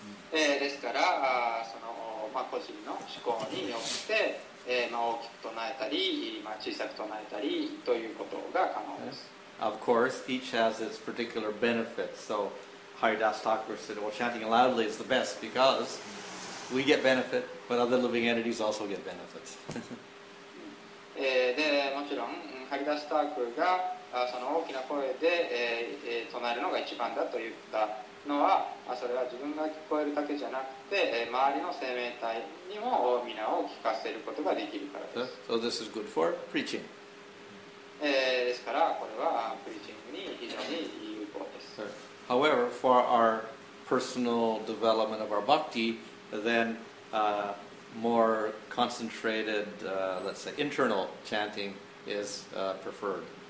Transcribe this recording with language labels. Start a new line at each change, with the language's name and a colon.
Japanese: ですから、まあ、個人の思考によって、まあ、大きく唱えたり、まあ、小さく唱えたりということが可能です。
English: Of course, each has its particular benefits. So,Haridas Thakur said, well, chanting loudly is the best because we get benefit, but other living entities also get benefits.
Japanese: で、もちろん、Haridas Thakurが、その大きな声で、唱えるのが一番だと言ったのは、それは自分が聞こえるだけじゃなくて、周りの生命体にも皆を聞かせることができるからです。
English: So this is good for preaching.
Japanese: ですから、これはプリーチングに非常に有効です。
English: However, for our personal development of our bhakti, then more concentrated, let's say, internal chanting is preferred.